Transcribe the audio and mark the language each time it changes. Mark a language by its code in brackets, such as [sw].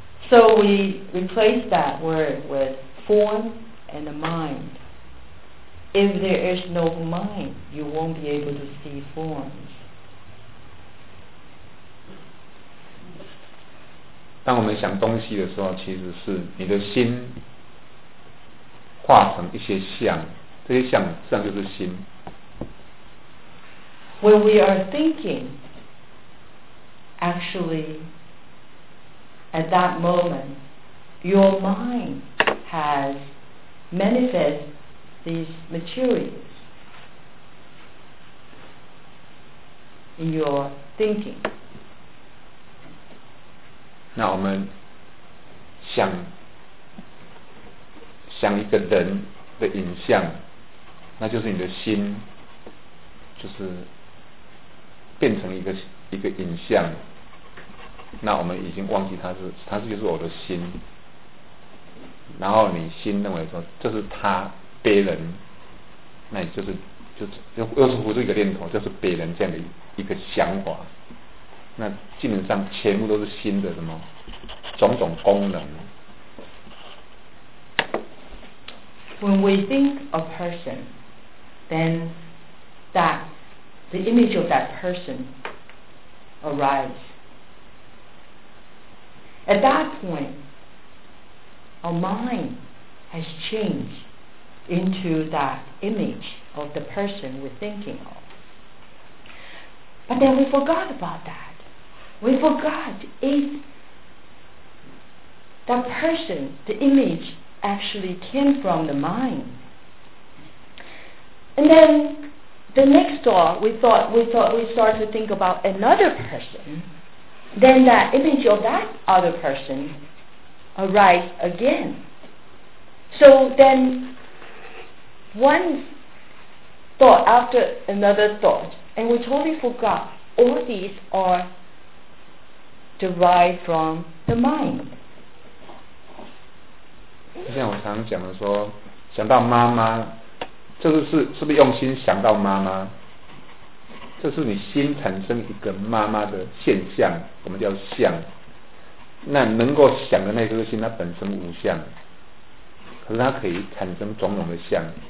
[en] So we replace that word with form and the mind. If there is no mind, you won't be able to see forms. [zh] 当我们想东西的时候，其实是你的心化成一些像，这些像实际上就是心。 [en] When we are thinking, actually, at that moment, your mind has manifest these materials in your thinking. [zh] 那我们想一个人的影像，那就是你的心，就是变成一个影像。那我们已经忘记他是就是我的心，然后你心认为说这是他别人，那你就是浮出一个念头，就是别人这样的一个想法。那基本上全部都是心的什么种种功能。 [en] When we think a person, then that the image of that person arises. At that point, our mind has changed into that image of the person we're thinking of. But then we forgot about that. We forgot if that person, the image, actually came from the mind. And then the next thought, we started to think about another person. Then that image of that other person arises again. So then one thought after another thought, and we totally forgot all these arederived from the mind. [zh] 就像我常讲的说，想到妈妈，这个是不是用心想到妈妈？这是你心产生一个妈妈的现象，我们叫相。那能够想的那颗心，它本身无相，可是它可以产生种种的相。